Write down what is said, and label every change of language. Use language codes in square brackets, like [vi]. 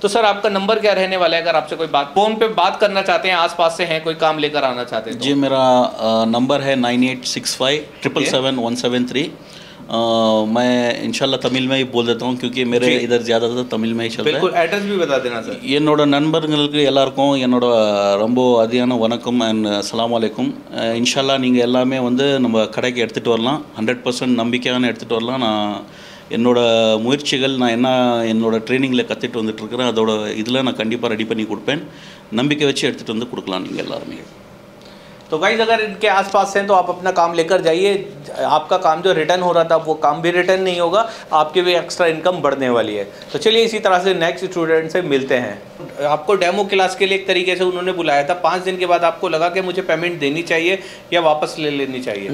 [hi] तो सर आपका नंबर क्या रहने वाला है, अगर आपसे कोई बात फोन पे बात करना चाहते हैं, आसपास से हैं कोई काम लेकर आना चाहते हैं तो? जी मेरा नंबर है 9865777173। मैं इंशाल्लाह तमिल में ही बोल देता हूँ क्योंकि मेरे इधर ज़्यादातर तमिल में ही चलता है। बिल्कुल, एड्रेस भी बता देना सर। [ta] என்னோட நண்பர்களுக்கு எல்லாருக்கும் என்னோட ரொம்ப அதியான வணக்கம் அண்ட் அஸ்ஸலாமு அலைக்கும். இன்ஷால்லா நீங்கள் எல்லாமே வந்து நம்ம கடைக்கு எடுத்துகிட்டு வரலாம், 100% நம்பிக்கையான எடுத்துகிட்டு வரலாம். என்னோட முயற்சிகள், நான் என்ன என்னோட ட்ரைனிங்கில் கற்றுட்டு வந்துட்டுருக்கிறேன், அதோட இதில் நான் கண்டிப்பாக ரெடி பண்ணி கொடுப்பேன், நம்பிக்கை வச்சு எடுத்துகிட்டு வந்து கொடுக்கலாம் நீங்கள் எல்லாருமே। [hi] तो गाइज अगर इनके आसपास हैं तो आप अपना काम लेकर जाइए, आपका काम जो रिटर्न हो रहा था वो काम भी रिटर्न नहीं होगा, आपके भी एक्स्ट्रा इनकम बढ़ने वाली है। तो चलिए इसी तरह से नेक्स्ट स्टूडेंट से मिलते हैं। आपको डेमो क्लास के लिए एक तरीके से उन्होंने बुलाया था, 5 दिन के बाद आपको लगा कि मुझे पेमेंट देनी चाहिए या वापस ले लेनी चाहिए?